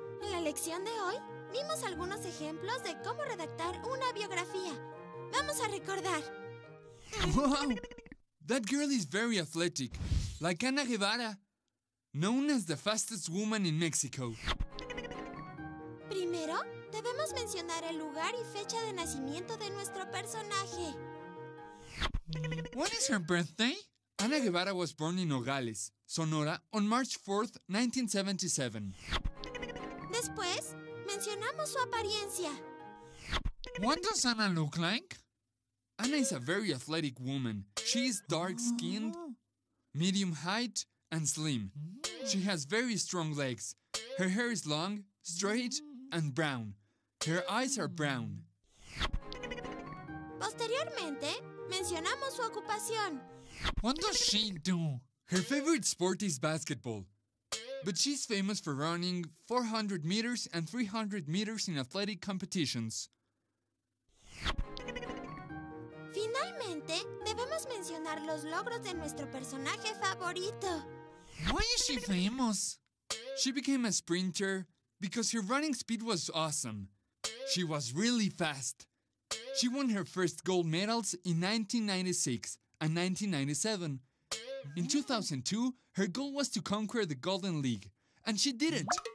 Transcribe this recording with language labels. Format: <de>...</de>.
<es>En la lección de hoy, vimos algunos ejemplos de cómo redactar una biografía. Vamos a recordar.</es> <en>¡Wow! That girl is very athletic, like Ana Guevara, known as the fastest woman in Mexico.</en> <es>Primero, debemos mencionar el lugar y fecha de nacimiento de nuestro personaje.</es> <en>What is her birthday? Ana Guevara was born in Nogales, Sonora, on March 4th, 1977.</en> <es>Después, mencionamos su apariencia.</es> <en>What does Ana look like? Ana is a very athletic woman. She is dark-skinned, medium height, and slim. She has very strong legs. Her hair is long, straight, and brown. Her eyes are brown.</en> <es>Posteriormente, mencionamos su ocupación.</es> <en>What does she do? Her favorite sport is basketball. But she's famous for running 400 meters and 300 meters in athletic competitions.</en> <es>Finalmente, debemos mencionar los logros de nuestro personaje favorito.</es> <en>Why is she famous? She became a sprinter because her running speed was awesome. She was really fast. She won her first gold medals in 1996 and 1997. In 2002, her goal was to conquer the Golden League, and she did it.</en>